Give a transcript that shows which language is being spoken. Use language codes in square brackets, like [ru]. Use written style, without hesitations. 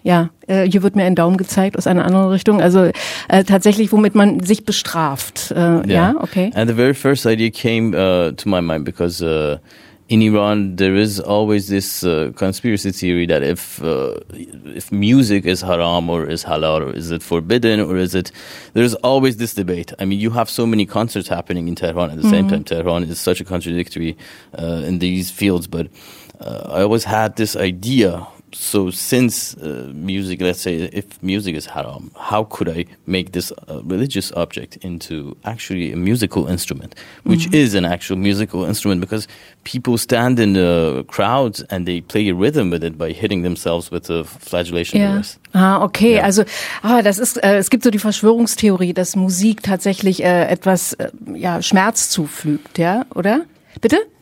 [de] Yeah, hier wird mir ein Daumen gezeigt aus einer anderen Richtung. Also tatsächlich, womit man sich bestraft. Okay. [en] And the very first idea came to my mind because in Iran there is always this conspiracy theory that if music is haram or is halal or is it forbidden or is it, there's always this debate. I mean, you have so many concerts happening in Tehran at the mm-hmm. same time. Tehran is such a contradictory in these fields, but I always had this idea. So since music, let's say, if music is haram, how could I make this religious object into actually a musical instrument, which mm-hmm. is an actual musical instrument? Because people stand in the crowds and they play a rhythm with it by hitting themselves with a flagellation device. [de] Okay. Yeah. Also, das ist. Es gibt so die Verschwörungstheorie, dass Musik tatsächlich etwas Schmerz zufügt, ja, oder? Bitte?